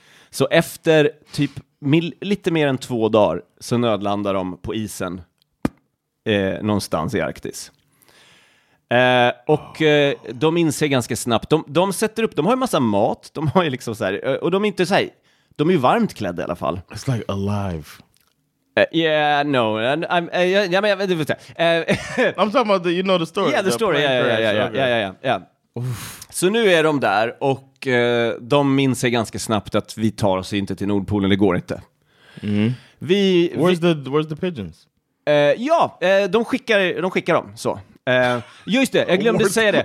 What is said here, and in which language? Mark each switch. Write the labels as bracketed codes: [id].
[sv] Så efter typ lite mer än 2 dagar så nödlandar de på isen någonstans i Arktis. Och de inser ganska snabbt, de sätter upp, de har ju massa mat, de har ju liksom så här, och de är inte så här, de är ju varmt klädda i alla fall. [en] It's like alive. I'm talking about the, you know the story. Yeah, the story. Yeah. [sv] Så nu är de där och de inser ganska snabbt att vi tar oss inte till Nordpolen, det går inte. [en] Mm. Where's the pigeons? [sv] De skickar dem så. Just det, jag glömde säga det.